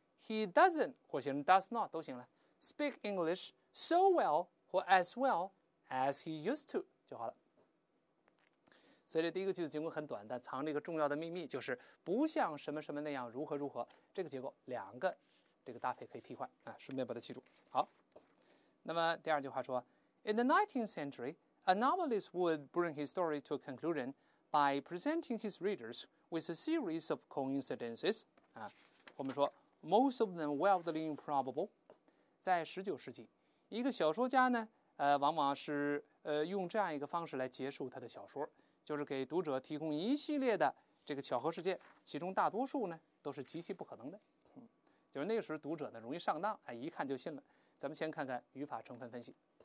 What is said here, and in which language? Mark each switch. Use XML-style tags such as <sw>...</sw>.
<en>He doesn't</en> <zh>或形容</zh> <en>does not</en> <zh>都行了。</zh> <en>Speak English so well 或 as well as he used to</en> <zh>就好了。所以这第一个句子尽管很短，但藏着一个重要的秘密，就是不像什么什么那样如何如何，这个结构两个这个搭配可以替换啊，顺便把它记住。好，那么第二句话说，</zh> <en>In the 19th century, a novelist would bring his story to a conclusion by presenting his readers with a series of coincidences.</en> <zh>啊，我们说</zh> <en>most of them wildly improbable.</en> <zh>在19世纪，一个小说家呢，往往是用这样一个方式来结束他的小说，就是给读者提供一系列的这个巧合事件，其中大多数呢都是极其不可能的。就是那个时候读者呢容易上当，哎，一看就信了。咱们先看看语法成分分析。</zh>